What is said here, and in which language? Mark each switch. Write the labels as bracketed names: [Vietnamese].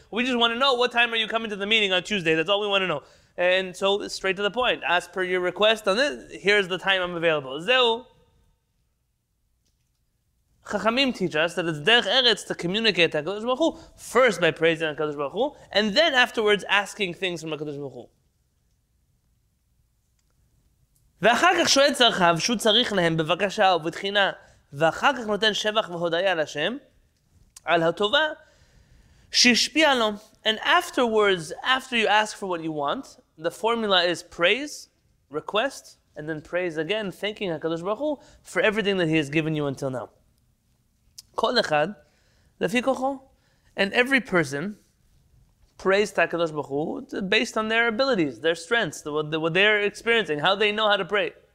[English] We just want to know, what time are you coming to the meeting on Tuesday? That's all we want to know. And so, straight to the point. As per your request, on this, here's the time I'm available. Zeu. Chachamim teach us that it's derech eretz to communicate to HaKadosh Baruch Hu first by praising HaKadosh Baruch Hu and then afterwards asking things from HaKadosh Baruch Hu. [Hebrew] ואחר כך שואל צרכיו שהוא צריך להם בבקשה ובתחינה ואחר כך נותן שבח והודיה לשם על הטובה שהשפיע לו. [English] And afterwards, after you ask for what you want, the formula is praise, request, and then praise again, thanking HaKadosh Baruch Hu for everything that He has given you until now. [Hebrew] כל אחד לפי כוחו. [English] And every person prays to HaKadosh Baruch Hu based on their abilities, their strengths, what they're experiencing, how they know how to pray.